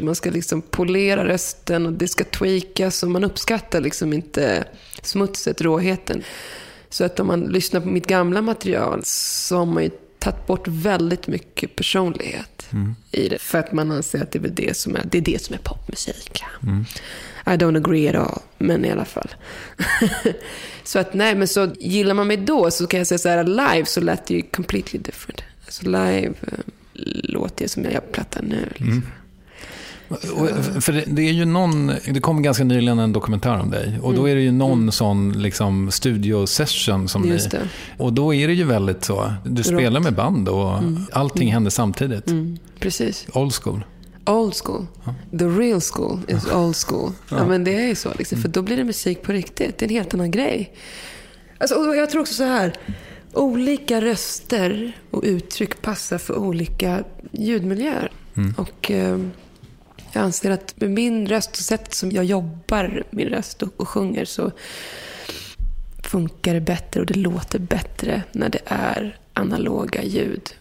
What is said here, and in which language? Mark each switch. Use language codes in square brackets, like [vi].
[sv] Man ska liksom polera rösten och det ska tweakas. Och man uppskattar liksom inte smutset, råheten. Så att om man lyssnar på mitt gamla material så har man ju tagit bort väldigt mycket personlighet i det. För att man anser att det är det som är popmusik. [en] Mm. I don't agree at all, [sv] men i alla fall. Så att nej, men så gillar man mig då så kan jag säga så här, live så lät det ju [en] completely different. [sv] Alltså live låter ju som jag plattar nu. Liksom. Mm. Och, för det är ju någon, det kom ganska nyligen en dokumentär om dig, och då är det ju någon sån liksom studiosession som ni, och då är det ju väldigt så, du rått. Spelar med band och allting händer samtidigt. Mm. Precis. [en] Old school. Old school. The real school is old school. [sv] Ja, men det är ju så liksom, för då blir det musik på riktigt. Det är en helt annan grej. Alltså, och jag tror också så här, Olika röster och uttryck passar för olika ljudmiljöer. Mm. Och jag anser att med min röst och sätt som jag jobbar min röst och sjunger så funkar det bättre och det låter bättre när det är analoga ljud.